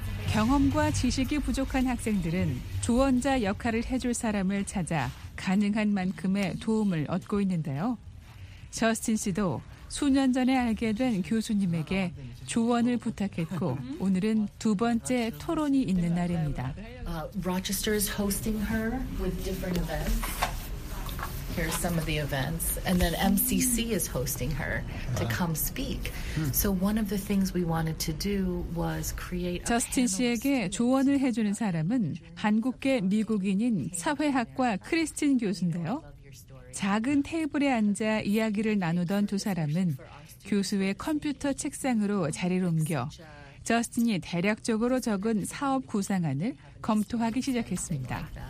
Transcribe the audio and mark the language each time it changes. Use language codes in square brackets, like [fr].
[ko] 경험과 지식이 부족한 학생들은 조언자 역할을 해줄 사람을 찾아 가능한 만큼의 도움을 얻고 있는데요. 저스틴 씨도 수년 전에 알게 된 교수님에게 조언을 부탁했고 오늘은 두 번째 토론이 있는 날입니다. [en] Rochester is hosting her with different events. Here's some of the events. And then MCC is hosting her to come speak. So one of the things we wanted to do was create. [ko] 저스틴 씨에게 조언을 해주는 사람은 한국계 미국인인 사회학과 크리스틴 교수인데요. 작은 테이블에 앉아 이야기를 나누던 두 사람은 교수의 컴퓨터 책상으로 자리를 옮겨 저스틴이 대략적으로 적은 사업 구상안을 검토하기 시작했습니다.